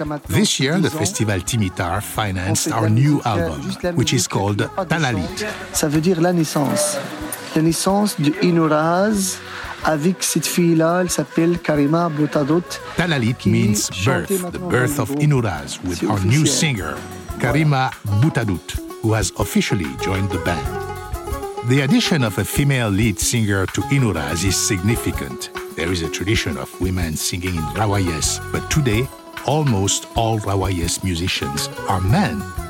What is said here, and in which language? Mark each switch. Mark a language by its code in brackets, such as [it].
[en] This year, the festival Timitar financed our new album, which is called Talalit. [fr] Ça veut dire la naissance. La naissance de Inouraz. Avec cette fille-là, elle s'appelle Karima Boutadot. [en] Talalit means birth, the birth of Inouraz, with our new singer, Karima Boutadot, who has officially joined the band. The addition of a female lead singer to Inouraz is significant. There is a tradition of women singing in Ruwais, but today, almost all Ruwais musicians are men.